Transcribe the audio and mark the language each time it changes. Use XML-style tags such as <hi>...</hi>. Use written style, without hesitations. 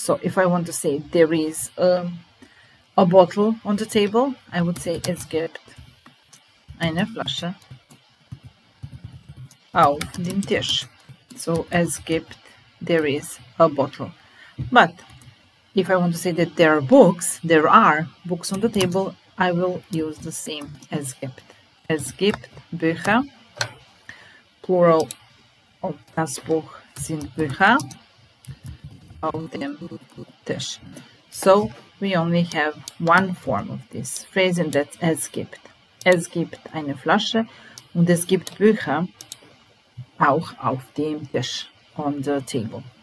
<en>So, if I want to say there is a bottle on the table, I would say</en> <de>es gibt eine Flasche auf dem Tisch.</de> <en>So,</en> <de>es gibt,</de> <en>there is a bottle. But if I want to say that there are books, there are books on the table, I will use the same as</en> <de>gibt. Es gibt Bücher,</de> <en>plural of</en> <de>das Buch sind Bücher auf dem Tisch.</de> <en>So we only have one form of this phrase, and that's</en> <de>es gibt. Es gibt eine Flasche und es gibt Bücher auch auf dem Tisch,</de> <en>on the table.</en>